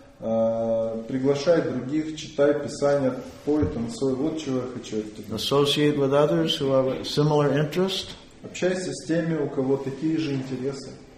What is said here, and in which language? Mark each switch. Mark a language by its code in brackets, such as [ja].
[ru] Приглашай других, читай писания, пой, танцуй. Вот чего я хочу от тебя. [en] Associate with others who have a similar interest. [ru] Общайся с теми, у кого такие же интересы.